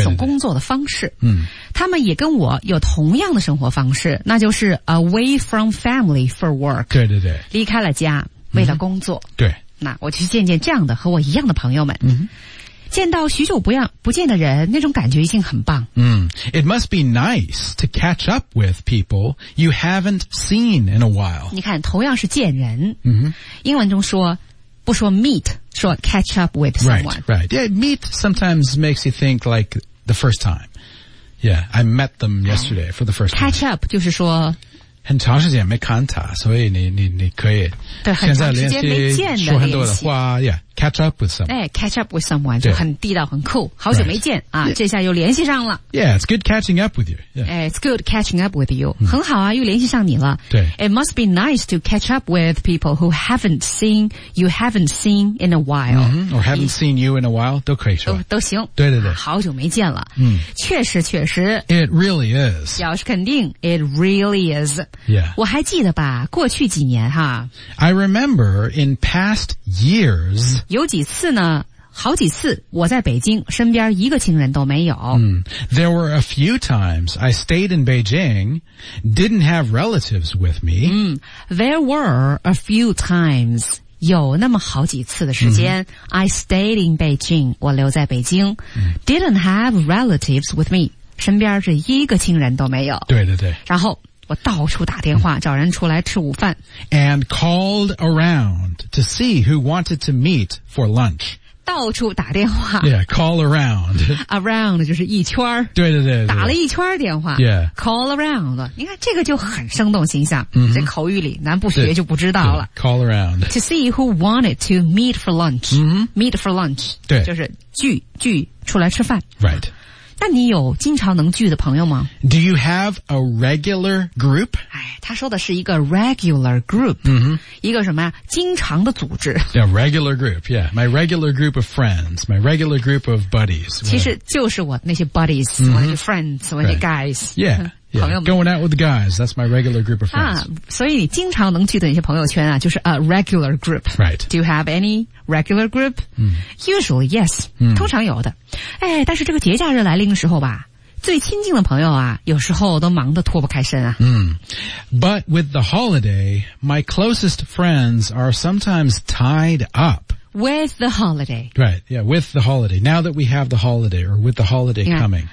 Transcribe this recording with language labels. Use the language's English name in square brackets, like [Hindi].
[Chinese] 一种工作的方式。嗯，他们也跟我有同样的生活方式，那就是 [English] away from family for work. [Chinese] 对对对，离开了家，为了工作。嗯、对，那我去见见这样的和我一样的朋友们。嗯。见到许久不见的人，那种感觉一定很棒。 [English] 嗯、It must be nice to catch up with people you haven't seen in a while. [Chinese] 你看，同样是见人。嗯、英文中说，不说 meet, 说 [English] catch up with someone. Right, right. Yeah, meet sometimes makes you think like the first time. Yeah, I met them yesterday for the first time. [Chinese] Catch up 就是说很长时间没看他，所以你可以现在联系说很多的话 ， [English] Yeah, catch up with someone. [Chinese] 哎 ， [English] catch up with someone [Chinese] 就很地道，很 cool， 好久没见、 [English] right. [Chinese] 啊，这下又联系上了。 [English] Yeah, it's good catching up with you. Yeah, it's good catching up with you.、嗯、 [Chinese] 很好啊，又联系上你了。对 [English] ，It must be nice to catch up with people who haven't seen in a while,、 mm-hmm. or haven't seen you in a while [Chinese] 都可以说都行。对对对，好久没见了。嗯，确实。 [English] It really is. [Chinese] 表示肯定。 [English] It really is. Yeah. [Chinese] 我还记得吧，过去几年哈。 [English] I remember in past years. [Chinese] 有几次呢，好几次我在北京，身边一个亲人都没有。 Mm. [English] There were a few times I stayed in Beijing, didn't have relatives with me. Mm. There were a few times. [Chinese] 有那么好几次的时间、 [English] mm-hmm. I stayed in Beijing [Chinese] 我留在北京、 [English] mm-hmm. Didn't have relatives with me [Chinese] 身边是一个亲人都没有对对对然后我到处打电话、mm-hmm. 找人出来吃午饭 [English] And called around to see who wanted to meet for lunch [Chinese] 到处打电话 [English] Yeah, call around [Chinese] Around 就是一圈对对 对, 对打了一圈电话 [English] Yeah Call around [Chinese] 你看这个就很生动形象、 mm-hmm. 这口语里咱不学就不知道了 [English] Call around To see who wanted to meet for lunch、 mm-hmm. Meet for lunch [Chinese] 对就是聚出来吃饭 [English] Right [Chinese] 那你有经常能聚的朋友吗 [English] Do you have a regular group? [Chinese] 他说的是一个 regular group、 mm-hmm. 一个什么经常的组织 [English] Yeah, regular group, yeah My regular group of friends My regular group of buddies [Chinese] 其实就是我那些 buddies、mm-hmm. 我那些 friends 我那些 guys、 [English] right. Yeah, yeah. Going out with the guys That's my regular group of friends、 [Chinese] 啊、所以你经常能聚的那些朋友圈、啊、就是 [English] a regular group Right Do you have any regular group?、 Mm. Usually, yes、 mm. [Chinese] 通常有的哎，但是这个节假日来临的时候吧，最亲近的朋友啊，有时候都忙得脱不开身啊。嗯、mm. [English] ，But with the holiday, my closest friends are sometimes tied up. With the holiday, right? Yeah, with the holiday. Now that we have the holiday, or with the holiday coming,